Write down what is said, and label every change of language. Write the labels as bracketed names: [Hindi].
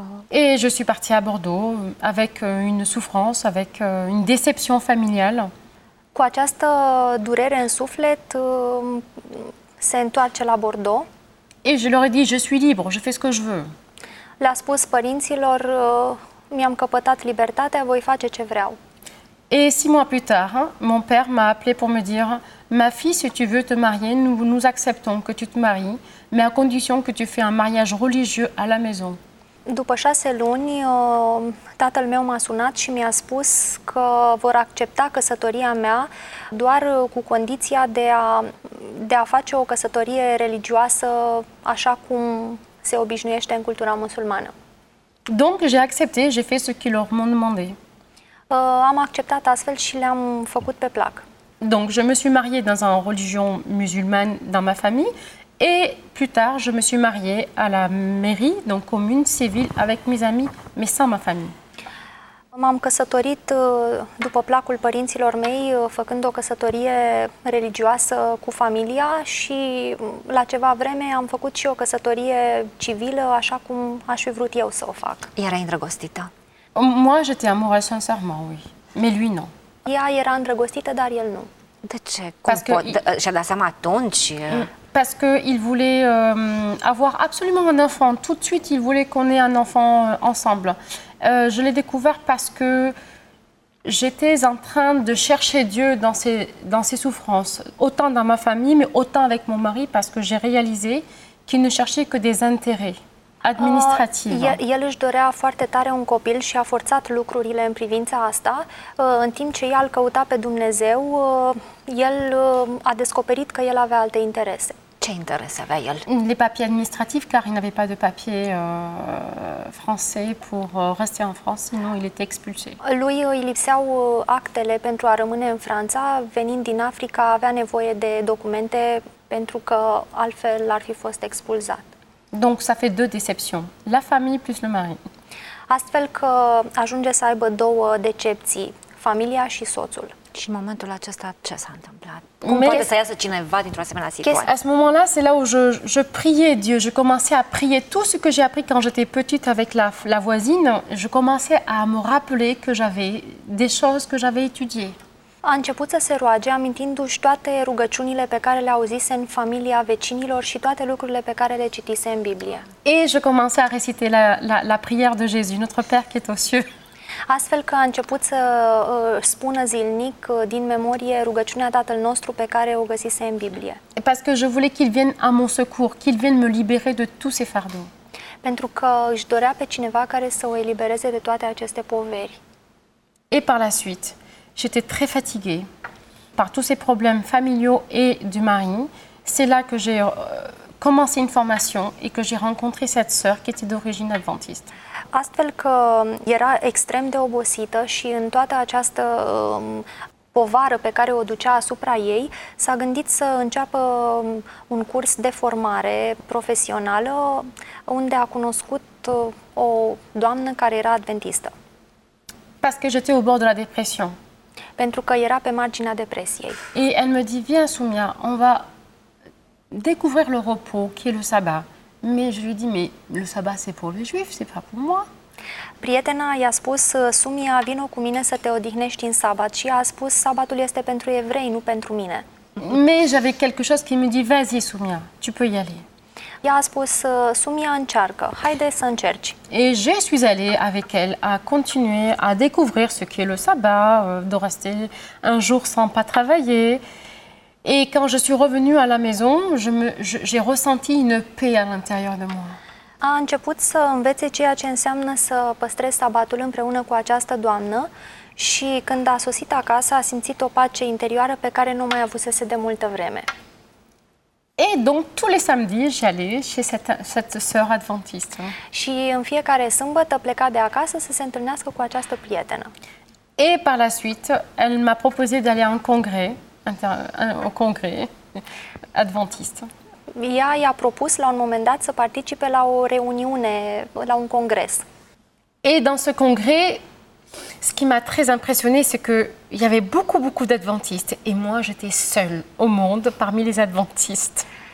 [French] Et je suis partie à Bordeaux avec une souffrance, avec une déception familiale. [Romanian] Cu această durere în suflet, se întoarce la Bordeaux. [French] Et je leur ai dit, je suis libre, je fais ce que je veux. [Romanian] Le-a spus părinților, mi-am căpătat libertatea, voi face ce vreau. [French] Et 6 mois plus tard, mon père m'a appelé pour me dire, ma fille, si tu veux te marier, nous acceptons que tu te maries, mais à condition que tu fais un mariage religieux à la maison. [Romanian] După 6 luni, tatăl meu m-a sunat și mi-a spus că vor accepta căsătoria mea doar cu condiția de a face o căsătorie religioasă așa cum se obișnuiește în cultura musulmană. [French] Donc, j'ai accepté, j'ai fait ce qu'ils leur m'ont demandé. [Romanian] Am acceptat astfel și le-am făcut pe plac. [French] Donc, je me suis mariée dans un religion musulmane dans ma famille Et plus tard, je me suis mariée à la mairie, donc commune civile, avec mes amis, mais sans ma famille. [Romanian] M-am căsătorit după placul părinților mei, făcând o căsătorie religioasă cu familia și la ceva vreme am făcut și o căsătorie civilă, așa cum aș fi vrut eu să o fac. Era îndrăgostită? [French] Moi, j'étais amoureuse sincèrement, oui. Mais lui, non. [Romanian] Ea era îndrăgostită, dar el nu. De ce? Și-a dat seama atunci? [French] Parce qu'il voulait avoir absolument un enfant. Tout de suite, il voulait qu'on ait un enfant ensemble. Je l'ai découvert parce que j'étais en train de chercher Dieu dans ses souffrances, autant dans ma famille, mais autant avec mon mari, parce que j'ai réalisé qu'il ne cherchait que des intérêts administratifs. [Romanian] El își dorea foarte tare un copil și a forțat lucrurile în privința asta. În timp ce el căuta pe Dumnezeu, el a descoperit că el avea alte interese. Ce interes avea el? [French] Les papiers administratifs, car il n'avait pas de papier français pour rester en France, sinon il était expulsé. [Romanian] Lui îi lipseau actele pentru a rămâne în Franța, venind din Africa, avea nevoie de documente pentru că altfel ar fi fost expulzat. [French] Donc ça fait deux déceptions, la famille plus le mari. [Romanian] Astfel că ajunge să aibă două decepții, familia și soțul. Și în momentul acesta ce s-a întâmplat? Cum poate să iasă cineva dintr-o asemenea situație? [French] À ce moment-là, c'est là où je priais Dieu. Je commençais à prier tout ce que j'ai appris quand j'étais petite avec la voisine. Je commençais à me rappeler que j'avais des choses que j'avais étudiées. [Romanian] A început să se roage, amintindu-și toate rugăciunile pe care le auzise în familia vecinilor și toate lucrurile pe care le citise în Biblie. [French] Et je commençais à réciter la prière de Jésus, notre Père qui est aux cieux. [Romanian] Astfel că a început să spună zilnic din memorie rugăciunea Tatăl nostru pe care o găsise în Biblie. [French] Parce que je voulais qu'il vienne à mon secours, qu'il vienne me libérer de tous ces fardeaux. [Romanian] Pentru că își dorea pe cineva care să o elibereze de toate aceste poveri. [French] Et par la suite, j'étais très fatiguée par tous ces problèmes familiaux et du mari. C'est là que j'ai commencé une formation et que j'ai rencontré cette sœur qui était d'origine adventiste. [Romanian] Astfel că era extrem de obosită și în toată această povară pe care o ducea asupra ei, s-a gândit să înceapă un curs de formare profesională unde a cunoscut o doamnă care era adventistă. [French] Parce que j'étais au bord de la dépression. [Romanian] Pentru că era pe marginea depresiei. [French] Et elle me dit, viens Soumia, on va découvrir le repos qui est le sabbat. Mais je lui dis, mais le sabbat c'est pour les juifs, c'est pas pour moi. [Romanian] Prietena i-a spus, Soumia, vino cu mine să te odihnești în sabbat. Și a spus, sabatul este pentru evrei, nu pentru mine. [French] Mais j'avais quelque chose qui me dit, vas-y Soumia, tu peux y aller. [Romanian] Ea a spus, Soumia, încearcă, haide să încerci. [French] Et je suis allée avec elle à continuer à découvrir ce qu'est le sabbat, de rester un jour sans pas travailler. Et quand je suis revenue à la maison, j'ai ressenti une paix à l'intérieur de moi. [Romanian] A început să învețe ceea ce înseamnă să păstrezi sabatul împreună cu această doamnă și când a sosit acasă a simțit o pace interioară pe care nu mai avusese de multă vreme. [French] Et donc tous les samedis, j'allais chez cette sœur adventiste. [Romanian] Și în fiecare sâmbătă pleca de acasă să se întâlnească cu această prietenă. [French] Et par la suite, elle m'a proposé d'aller en congrès. Au congrès adventiste. [Romanian] Ea i-a propus la un moment dat să participe la o reuniune, la un congres. [French] Et dans ce congrès, ce qui m'a très impressionné, c'est que il y avait beaucoup beaucoup d'adventistes et moi j'étais seule au monde parmi les adventistes.